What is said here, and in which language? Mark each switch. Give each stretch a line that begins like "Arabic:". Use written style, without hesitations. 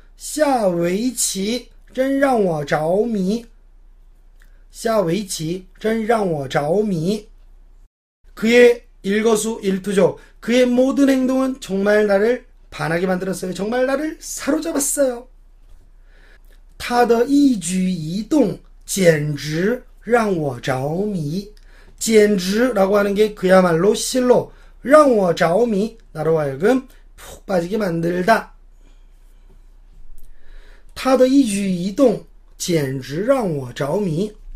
Chinese: 下围棋 真让我着迷. 下围棋 真让我着迷.
Korean: 그의 일거수일투족, 그의 모든 행동은 정말 나를 반하게 만들었어요. 정말 나를 사로잡았어요.
Chinese: 他的一举一动 简直让我着迷.
Korean: 简直라고 하는 게 그야말로 실로,
Chinese: 让我着迷,
Korean: 나로 하여금 푹 빠지게 만들다.
Chinese: 他的一举一动 简直让我着迷.